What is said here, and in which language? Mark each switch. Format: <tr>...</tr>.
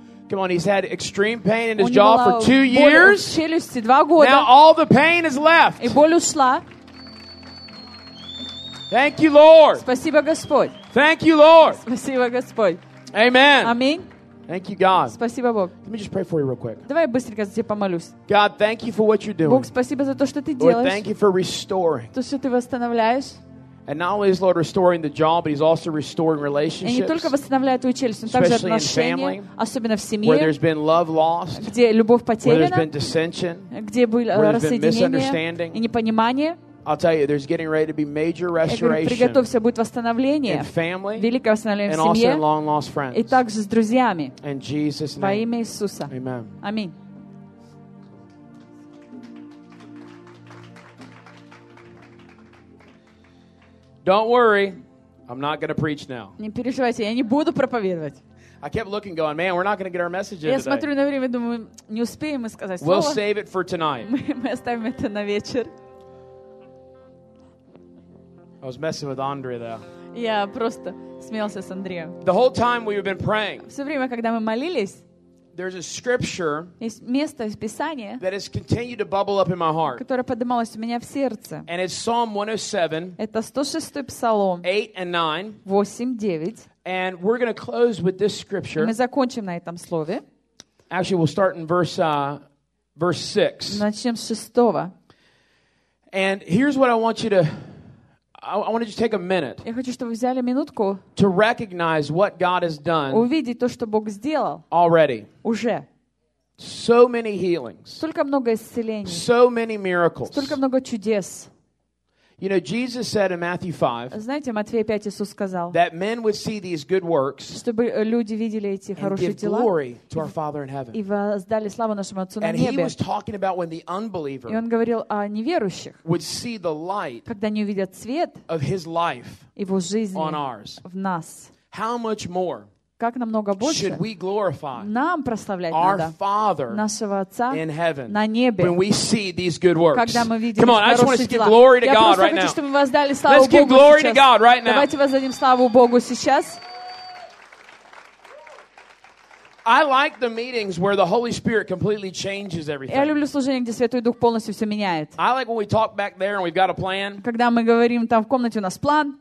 <en>Come on, he's had extreme pain in his jaw for 2 years. Now all the pain is left. Thank you, Lord.</en> <ru>Спасибо, Господь.</ru> <en>Thank you, Lord.</en> <ru>Спасибо, Господь.</ru> <en>Amen. Amen. Thank you, God.</en> <ru>Спасибо, Бог.</ru> <en>Let me just pray for you real quick.</en> <ru>Давай быстренько за тебя помолюсь.</ru> <en>God, thank you for what you're doing.</en> <ru>Бог, спасибо за то, что ты делаешь.</ru> <en>Lord, thank you for restoring.</en> <ru>То, что ты восстанавливаешь.</ru> <en>And not only is Lord restoring the jaw, but He's also restoring relationships.</en> <ru>И не только восстанавливает твою челюсть, но также отношения, особенно в семье,</ru> <en>where there's been love lost,</en> <ru>где любовь потеряна,</ru> <en>where there's been dissension,</en> <ru>где было разъединение и непонимание.</ru> <en>I'll tell you, there's getting ready to be major restoration.</en> <ru>Приготовься, будет восстановление.</ru> <en>In family,</en> <ru>великое восстановление в семье,</ru> <en>and also in long lost friends.</en> <ru>И также с друзьями.</ru> <en>In Jesus' name.</en> <ru>Во имя Иисуса.</ru> <en>Amen. Amen. Don't worry, I'm not going to preach now.</en> <ru>Не переживайте, я не буду проповедовать.</ru> <en>I kept looking, going, man, we're not going to get our message in</en> <ru>я</ru> <en>today.</en> <ru>Я смотрю на время, думаю, не успеем мы сказать слово.</ru> <en>We'll save it for tonight.</en> <ru>Мы оставим это на вечер.</ru> <en>I was messing with Andre though.</en> <ru>Я просто смеялся с Андреем.</ru> <en>The whole time we've been praying.</en> <ru>Все время, когда мы молились.</ru> <en>There's a scripture.</en> <ru>Есть место из Писания.</ru> <en>That has continued to bubble up in my heart.</en> <ru>Которое поднималось у меня в сердце.</ru> <en>And it's Psalm 107.</en> <ru>Это 106 псалом.</ru> <en>8 and 9. 8-9. And we're going to close with this scripture.</en> <ru>Мы закончим на этом слове.</ru> <en>Actually, we'll start in verse 6.</en> <ru>Начнем с 6.</ru> <en>And here's what I want you to I want to just take a minute.</en> <ru>Я хочу, чтобы вы взяли минутку.</ru> <en>To recognize what God has done.</en> <ru>Увидеть то, что Бог сделал.</ru> <en>Already.</en> <ru>Уже.</ru> <en>So many healings.</en> <ru>Столько много исцелений.</ru> <en>So many miracles.</en> <ru>Столько много чудес.</ru> <en>You know, Jesus said in Matthew 5.</en> <ru>Знаете, Матфея 5 Иисус сказал.</ru> <en>That men would see these good works.</en> <ru>Чтобы люди видели эти хорошие дела.</ru> <en>And give glory to our Father in heaven.</en> <ru>И воздали славу нашему Отцу на небе.</ru> <en>And he was talking about when the unbeliever.</en> <ru>И он говорил о неверующих.</ru> <en>Would see the light.</en> <ru>Когда они увидят свет.</ru> <en>Of his life.</en> <ru>Его жизни.</ru> <en>On ours.</en> <ru>В нас.</ru> <en>How much more?</en> <ru>Как намного больше.</ru> <en>Should we glorify.</en> <ru>Нам прославлять</ru> <en>our</en> <ru>надо.</ru> <en>Our Father.</en> <ru>Нашего Отца.</ru> <en>In heaven.</en> <ru>На небе.</ru> <en>When we see these good works.</en> <ru>Когда мы видим хорошие дела.</ru> <en>Come on, I just want to give glory to God right now.</en> <ru>Я хочу, чтобы мы воздали славу Богу сейчас.</ru> <en>Let's give glory to God right now.</en> <ru>Давайте воздадим славу Богу сейчас.</ru> <en>I like the meetings where the Holy Spirit completely changes everything.</en> <ru>Я люблю служения, где Святой Дух полностью все меняет.</ru> <en>I like when we talk back there and we've got a plan.</en> <ru>Когда мы говорим там в комнате, у нас план.</ru>